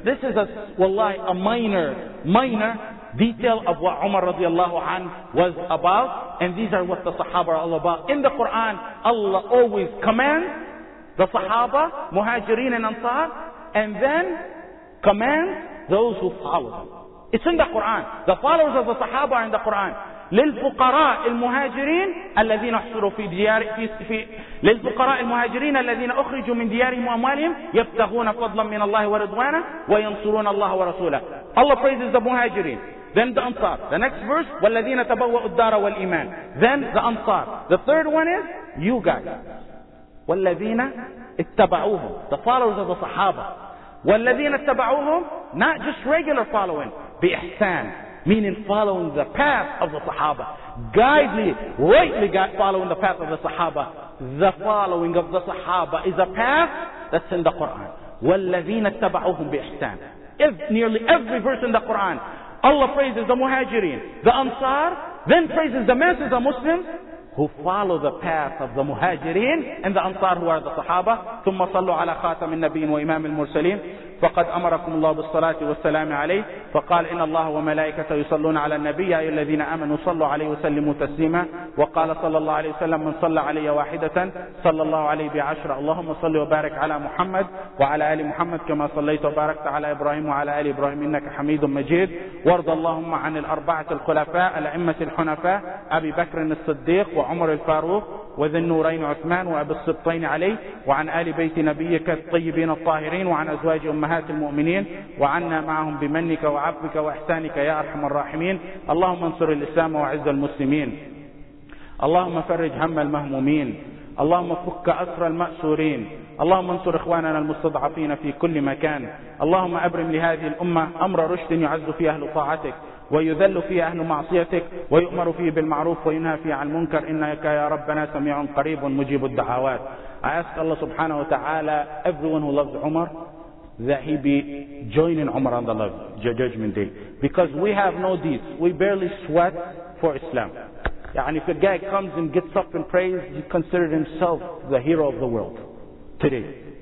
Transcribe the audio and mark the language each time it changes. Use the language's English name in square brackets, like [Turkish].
[English] This is a minor detail of what Umar radiallahu anhu was about. And these are what the Sahaba are all about. In the Quran, Allah always commands the Sahaba, Muhajirin and Ansar, and then command those who follow them. It's in the Quran. The followers of the Sahaba are in the Quran. [Arabic] للفقراء المهاجرين الذين احصروا في ديار في للفقراء المهاجرين الذين اخرجوا من ديارهم واموالهم يبتغون فضلا من الله ورضوانه وينصرون الله ورسوله. [English] Allah praises the muhajirin. Then the ansar. The next verse, [Arabic] والذين تبوأوا الدار والايمان. [English] Then the ansar. The third one is you guys. [Arabic] والذين اتبعوهم, [English] the followers of the Sahaba. [Arabic] والذين اتبعوهم, [English] not just regular following, [Arabic] بإحسان, [English] meaning following the path of the Sahaba, guidedly, rightly following the path of the Sahaba. The following of the Sahaba is a path that's in the Quran. [Arabic] والذين اتبعوهم بإحسان. [English] Nearly every verse in the Quran, Allah praises the Muhajirin, the Ansar, then praises the masses of Muslims who follow the path of the Muhajirin and the Ansar who are the Sahaba. [Arabic] ثم صلوا على خاتم النبيين وإمام المرسلين فقد أمركم الله بالصلاة والسلام عليه فقال إن الله وملائكته يصلون على النبي أي الذين آمنوا صلوا عليه وسلموا تسليما وقال صلى الله عليه وسلم من صلى علي واحدة صلى الله عليه بعشرة اللهم صل وبارك على محمد وعلى آل محمد كما صليت وباركت على إبراهيم وعلى آل إبراهيم إنك حميد مجيد وارض اللهم عن الأربعة الخلفاء الأئمة الحنفاء أبي بكر الصديق وعمر الفاروق وذي النورين عثمان وأبي الصبطين علي وعن آل بيت نبيك الطيبين الطاهرين وعن أزواج أمهات المؤمنين وعنا معهم بمنك وعفوك وإحسانك يا أرحم الراحمين. اللهم انصر الإسلام وعز المسلمين. اللهم فرج هم المهمومين. اللهم فك أسر المأسورين. اللهم انصر إخواننا المستضعفين في كل مكان. اللهم أبرم لهذه الأمة أمر رشد يعز فيه أهل طاعتك ويذل فيه أهل معصيتك ويؤمر فيه بالمعروف وينهى فيه عن المنكر إنك يا ربنا سميع قريب مجيب الدعوات. [English] I ask Allah subhanahu wa ta'ala, everyone who loves Umar, that he be joining Umar on the judgment day. Because we have no deeds. We barely sweat for Islam. And if a guy comes and gets up and prays, he considers himself the hero of the world today.